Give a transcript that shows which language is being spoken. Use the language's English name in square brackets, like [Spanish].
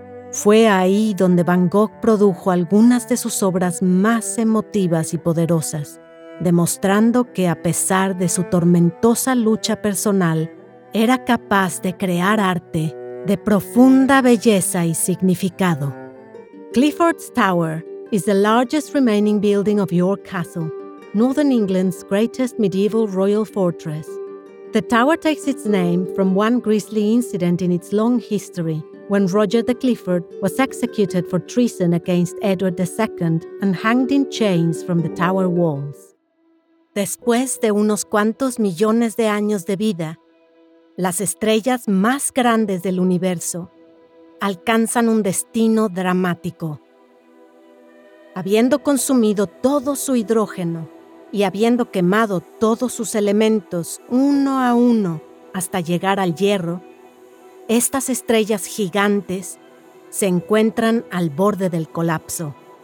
[Spanish] Fue ahí donde Van Gogh produjo algunas de sus obras más emotivas y poderosas, demostrando que a pesar de su tormentosa lucha personal, era capaz de crear arte de profunda belleza y significado. [English] Clifford's Tower is the largest remaining building of York Castle, Northern England's greatest medieval royal fortress. The tower takes its name from one grisly incident in its long history, when Roger de Clifford was executed for treason against Edward II and hanged in chains from the tower walls. [Spanish] Después de unos cuantos millones de años de vida, las estrellas más grandes del universo alcanzan un destino dramático. Habiendo consumido todo su hidrógeno y habiendo quemado todos sus elementos uno a uno hasta llegar al hierro, estas estrellas gigantes se encuentran al borde del colapso.